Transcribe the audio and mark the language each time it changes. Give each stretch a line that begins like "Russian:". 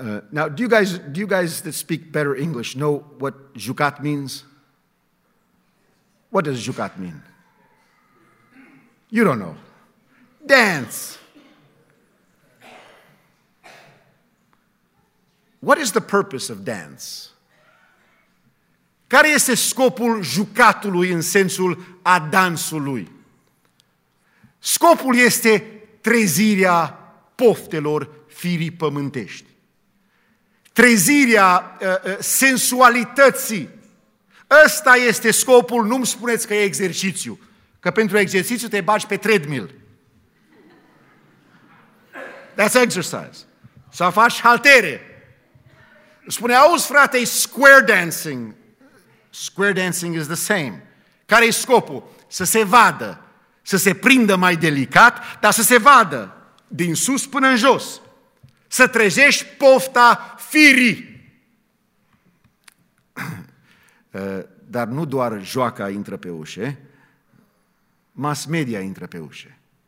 English: Now, do you guys that speak better English know what jucat means? What does jucat mean? You don't know. Dance. What is the purpose of dance?
Romanian: Care este scopul jucatului în sensul a dansului? Scopul este trezirea poftelor firii pământești. Trezirea sensualității. Ăsta este scopul, nu-mi spuneți că e exercițiu. Că pentru exercițiu te bagi pe treadmill.
English: That's exercise.
Romanian: Sau faci haltere. Spune, auzi frate, square dancing.
English: Square dancing is the same.
Romanian: Care e scopul? Să se vadă. Să se prindă mai delicat, dar să se vadă. Din sus până în jos. Să trezești pofta firii. Dar nu doar joaca intră pe ușe, mass media intră pe ușe.